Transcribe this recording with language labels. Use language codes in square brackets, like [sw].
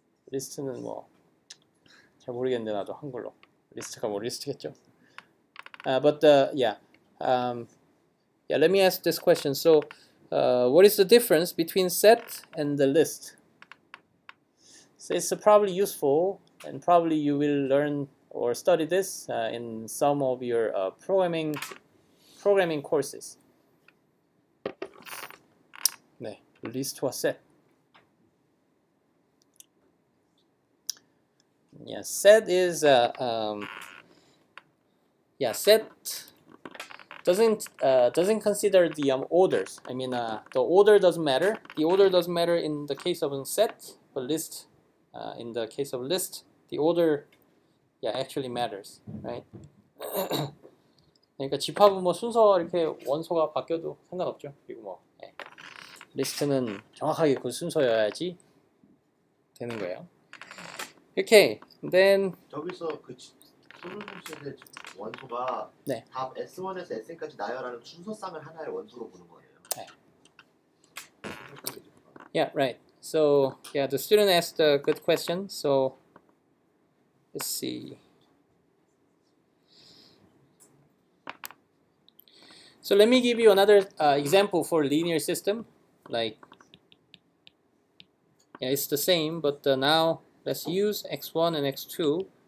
[ko] List는 뭐 잘 모르겠는데 나도 한글로 리스트가 뭐 리스트겠죠. [en] Let me ask this question. So, what is the difference between set and the list? So it's probably useful, and probably you will learn or study this in some of your programming courses. [ko] 네, list와 set. [en] Yeah, set is set doesn't consider the orders. I mean, the order doesn't matter. The order doesn't matter in the case of a set, but list, in the case of list, the order, yeah, actually matters, right? [ko] 그러니까 집합은 뭐 순서 이렇게 원소가 바뀌어도 상관없죠. 그리고 뭐 네. 리스트는 정확하게 그 순서여야지 되는 거예요. [en] Okay, then. [ko] 저기서 그 솔루션의 원소가 네. 다 S1에서 SN까지 나열하는 순서상을 하나의 원소로 보는 거예요. [en] Yeah, right. So yeah, the student asked a good question. So let's see. So let me give you another example for linear system. Like, yeah, it's the same, but now let's use x1 and x2.